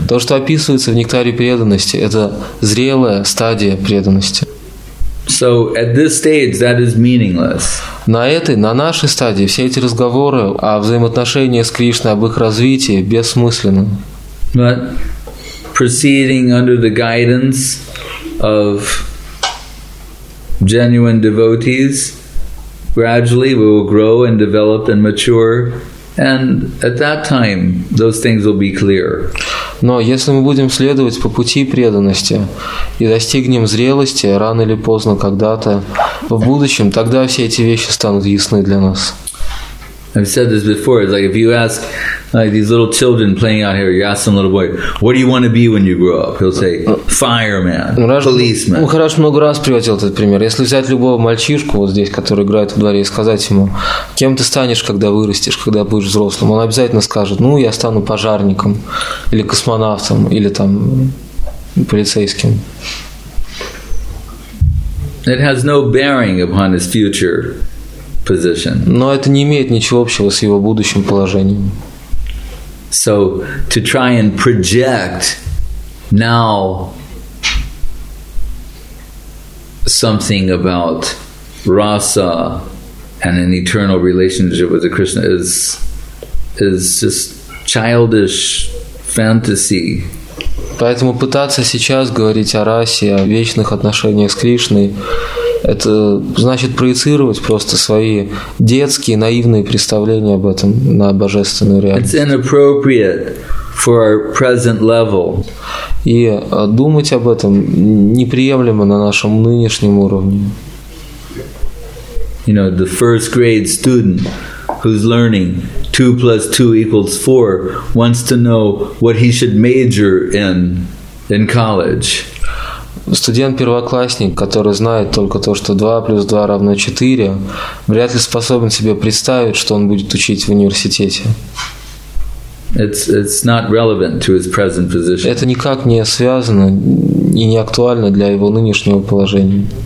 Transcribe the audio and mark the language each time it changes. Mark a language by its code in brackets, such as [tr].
[ru] То, что описывается в нектаре преданности, это зрелая стадия преданности. [en] So at this stage that is meaningless. [ru] На этой, на нашей стадии все эти разговоры о взаимоотношениях с Кришной, об их развитии бессмысленны. [en] But proceeding under the guidance of genuine devotees, gradually we will grow and develop and mature, and at that time those things will be clear. [ru] Но если мы будем следовать по пути преданности и достигнем зрелости рано или поздно когда-то в будущем, тогда все эти вещи станут ясны для нас. [en] I've said this before. It's like if you ask like these little children playing out here, you ask some little boy, "What do you want to be when you grow up?" He'll say, "Fireman, policeman." [ru] Мы хорошо много раз приводил этот пример. Если взять любого мальчишку вот здесь, который играет во дворе, и сказать ему, кем ты станешь, когда вырастешь, когда будешь взрослым, он обязательно скажет: "Ну, я стану пожарником или космонавтом или там полицейским." [en] It has no bearing upon his future. Position. [ru] Но это не имеет ничего общего с его будущим положением. [en] So to try and project now something about rasa and an eternal relationship with the Krishna is just childish fantasy. [ru] Поэтому пытаться сейчас говорить о расе, о вечных отношениях с Кришной, это значит проецировать просто свои детские, наивные представления об этом на божественную реальность. [en] It's inappropriate for our present level. [ru] И думать об этом неприемлемо на нашем нынешнем уровне. [en] You know, the first grade student who's learning 2 plus 2 equals 4 wants to know what he should major in college. [ru] Студент-первоклассник, который знает только то, что 2 плюс 2 равно 4, вряд ли способен себе представить, что он будет учить в университете. [en] It's not relevant to his present position. [ru] Это никак не связано и не актуально для его нынешнего положения.